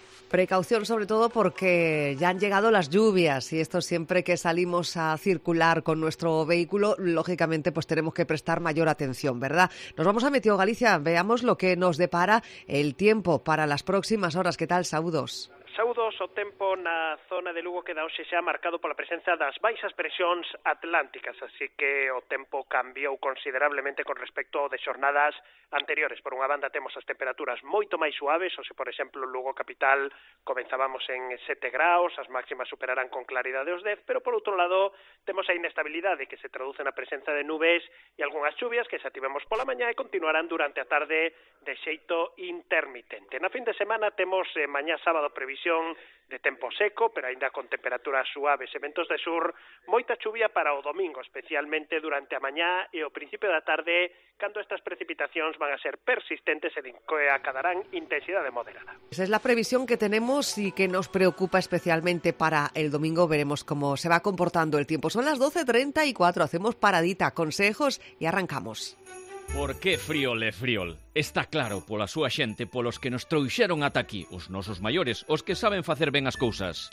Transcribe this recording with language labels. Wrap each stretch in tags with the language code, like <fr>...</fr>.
<es>Precaución sobre todo porque ya han llegado las lluvias y esto, siempre que salimos a circular con nuestro vehículo, lógicamente pues tenemos que prestar mayor atención, ¿verdad? Nos vamos a Meteo Galicia, veamos lo que nos depara el tiempo para las próximas horas. ¿Qué tal?</es> <gl>Saudos. Saudos. O tempo na zona de Lugo queda hoxe xa marcado pola presenza das baixas presións atlánticas, así que o tempo cambiou considerablemente con respecto de xornadas anteriores. Por unha banda, temos as temperaturas moito máis suaves, ou se, por exemplo, Lugo capital comenzábamos en 7 graus, as máximas superarán con claridade os 10, pero por outro lado, temos a inestabilidade que se traduce na presenza de nubes e algunhas chuvias que xa tivemos pola mañá e continuarán durante a tarde de xeito intermitente. Na fin de semana temos mañá sábado previsto de tempo seco, pero aínda con temperaturas suaves e ventos de sur, moita chuvia para o domingo, especialmente durante a mañá e o principio da tarde, cando estas precipitacións van a ser persistentes e acadarán intensidade moderada.</gl> <es>Esa es la previsión que tenemos y que nos preocupa especialmente para el domingo. Veremos cómo se va comportando el tiempo. Son las 12:34, hacemos paradita, consejos y arrancamos.</es> <gl>Por que Friol é Friol? Está claro, pola súa xente, polos que nos trouxeron ata aquí, os nosos maiores, os que saben facer ben as cousas.</gl>